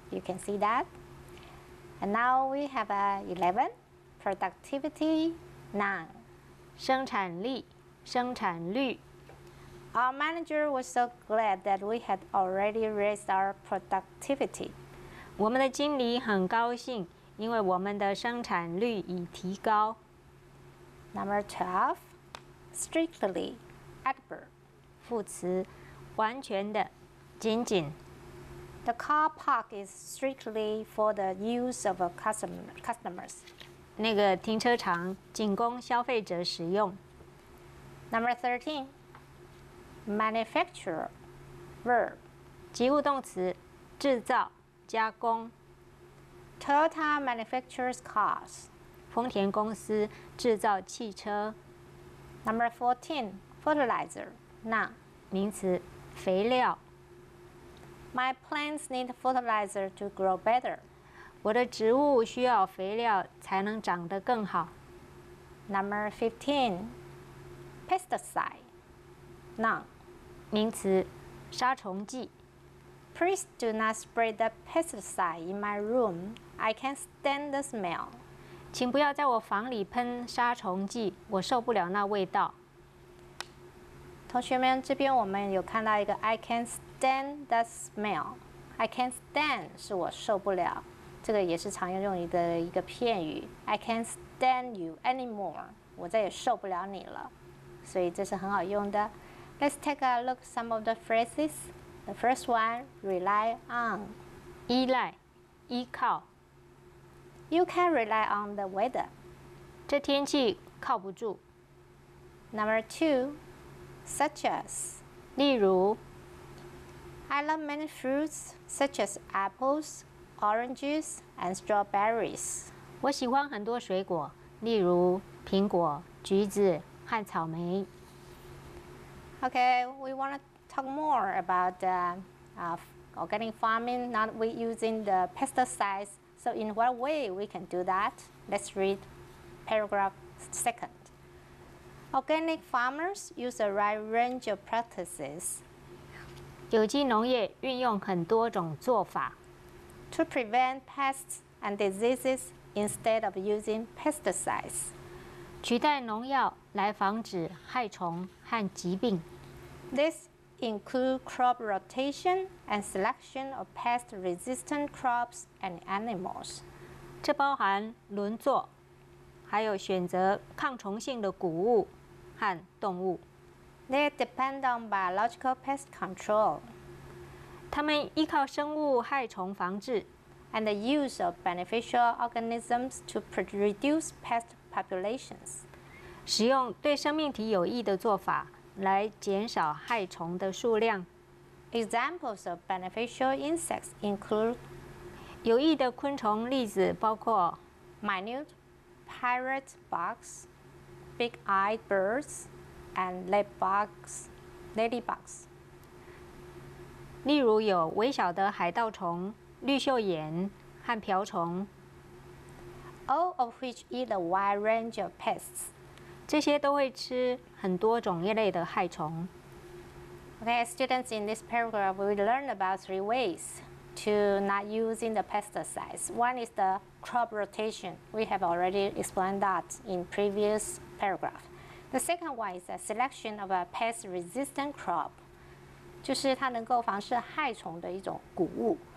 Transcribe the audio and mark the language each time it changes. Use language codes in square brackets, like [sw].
[en] You can see that. And now we have a 11, productivity noun. [zh] 生产力，生产率。 [en] Our manager was so glad that we had already raised our productivity. [zh] 我们的经理很高兴，因为我们的生产率已提高。 [en] Number 12, strictly, adverb. [zh] 副词，完全的。仅仅 [en] The car park is strictly for the use of customers. [zh] 那个停车场仅供消费者使用。 [en] Number 13. Manufacturer. Verb. [zh] 及物动词制造加工。 [en] Toyota manufactures cars. [zh] 丰田公司制造汽车。 [en] Number 14. Fertilizer. Noun. [zh] 名词肥料。 [en] My plants need fertilizer to grow better. [zh] 我的植物需要肥料才能长得更好。 [en] Number 15. Pesticide. Noun. [zh] 名词杀虫剂。 [en] Please do not spray the pesticide in my room. I can't stand the smell. [zh] 请不要在我房里喷杀虫剂，我受不了那味道。同学们，这边我们有看到一个 [en] I can't stand the smell. I can't stand [zh] 是我受不了，这个也是常用的一个片语。 [en] I can't stand you anymore. [zh] 我再也受不了你了，所以这是很好用的。 [en] Let's take a look at some of the phrases. The first one, rely on. [zh] 依赖，依靠。 [en] You can rely on the weather. [zh] 这天气靠不住。 [en] Number two,Such as, [zh] 例如 [en] I love many fruits such as apples, oranges, and strawberries. [zh] 我喜欢很多水果，例如苹果、橘子和草莓。 [en] Okay, we want to talk more about organic farming, not we using the pesticides. So in what way we can do that? Let's read paragraph second. Organic farmers use a wide range of practices. [zh] 有机农业运用很多种做法 [en] to prevent pests and diseases instead of using pesticides. [zh] 取代农药来防止害虫和疾病。 [en] This includes crop rotation and selection of pest-resistant crops and animals. [zh] 这包含轮作，还有选择抗虫性的谷物。 [en] They depend on biological pest control. [zh] 他们依靠生物害虫防治 [en] and the use of beneficial organisms to reduce pest populations. [zh] 使用对生命体有益的做法来减少害虫的数量。 [en] Examples of beneficial insects include [zh] 有益的昆虫例子包括 [en] minute pirate bugs. Big-eyed birds and ladybugs. [zh] 例如有微小的海盗虫、绿袖眼和瓢虫。 [en] All of which eat a wide range of pests. [zh] 这些都会吃很多种类的害虫。 [en] Okay, students, in this paragraph, we learn about three ways to not using the pesticides. One is the crop rotation. We have already explained that in previous. Paragraph. The second one is a selection of a pest-resistant crop, [zh] 就是它能够防治害虫的一种谷物。